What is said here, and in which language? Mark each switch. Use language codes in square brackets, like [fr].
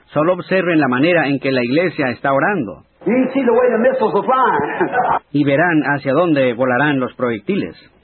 [es] Solo observen la manera en que la iglesia está orando. [en] You can see the way the missiles are flying. [es] Y verán hacia dónde volarán los proyectiles.